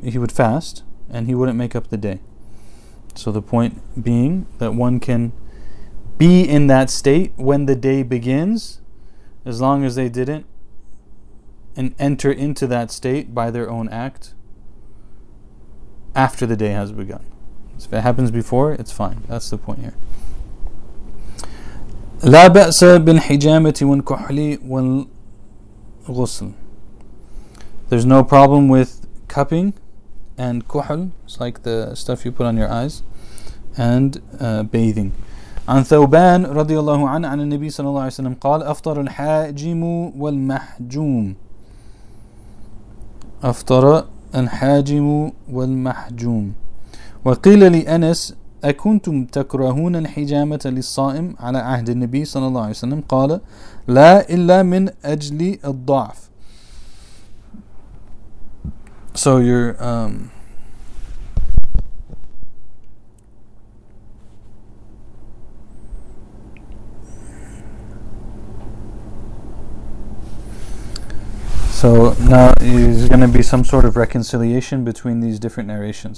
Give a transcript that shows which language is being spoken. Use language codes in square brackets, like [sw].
[en] He would fast and he wouldn't make up the day. So the point being that one can be in that state when the day begins, as long as they didn't and enter into that state by their own act after the day has begun. So if it happens before, it's fine. That's the point here. [ar] لا بأس بالحجامة والكحل والغسل. [en] There's no problem with cupping and kuhl. It's like the stuff you put on your eyes. And bathing. [ar] عن ثوبان رضي الله عنه عن النبي صلى الله عليه وسلم قال أفطر الحاجم والمحجوم. أفطر الحاجم والمحجوم. وقيل لأنس أكنتم تكرهون الحجامة للصائم على عهد النبي صلى الله عليه وسلم؟ قال لا إلا من أجل الضعف. [en] So your So now there's going to be some sort of reconciliation between these different narrations.